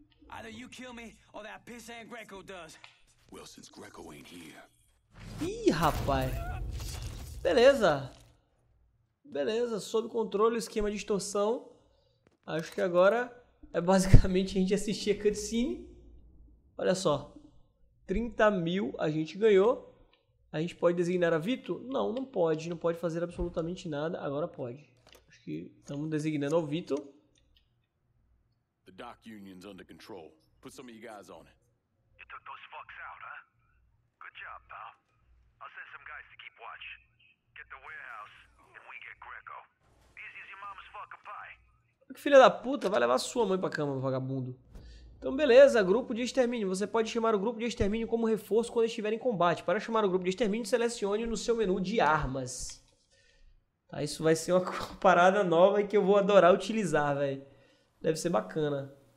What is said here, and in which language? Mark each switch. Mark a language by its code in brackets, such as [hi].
[en] Either you kill me or that piss and Greco does. Well, since Greco ain't here. [pt] Ih, rapaz. Beleza. Beleza, sob controle, esquema de extorsão. Acho que agora é basicamente a gente assistir a cutscene. Olha só. 30 mil a gente ganhou. A gente pode designar a Vito? Não, não pode. Não pode fazer absolutamente nada. Agora pode. Acho que estamos designando ao Vito. [en] The dock union's under control. Put some of you guys on it. You took those fucks out, huh? Good job, pal. I'll send some guys to keep watch. Get the warehouse, and we get Greco. This is your mom's fucking pie. [pt] Que filha da puta, vai levar sua mãe pra cama, vagabundo. Então, beleza, grupo de extermínio. Você pode chamar o grupo de extermínio como reforço quando estiver em combate. Para chamar o grupo de extermínio, selecione no seu menu de armas. Tá, isso vai ser uma parada nova que eu vou adorar utilizar, velho. Deve ser bacana.